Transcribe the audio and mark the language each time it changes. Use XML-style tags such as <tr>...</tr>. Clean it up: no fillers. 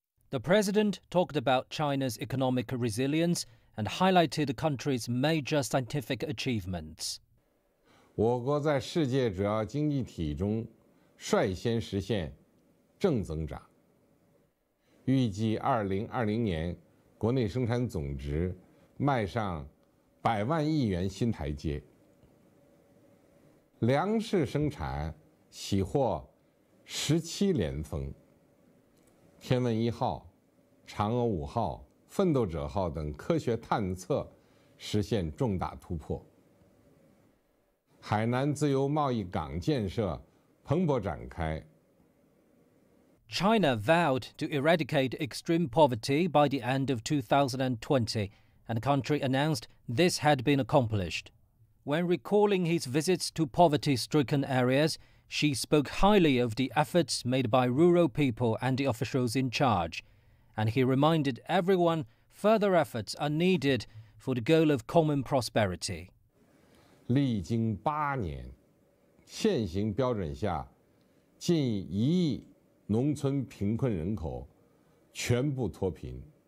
<en>The president talked about China's economic resilience and highlighted the country's major scientific achievements.</en> <zh>我国在世界主要经济体中率先实现正增长，预计2020年国内生产总值迈上 百万亿元新台阶。粮食生产喜获17连丰。天问一号、嫦娥5号、奋斗者号等科学探测实现重大突破。海南自由贸易港建设蓬勃展开。China</zh> <en>vowed to eradicate extreme poverty by the end of 2020. And the country announced this had been accomplished. When recalling his visits to poverty-stricken areas, Xi spoke highly of the efforts made by rural people and the officials in charge. And he reminded everyone further efforts are needed for the goal of common prosperity.</en> <zh>历经八年，现行标准下，近1亿农村贫困人口全部脱贫。</zh>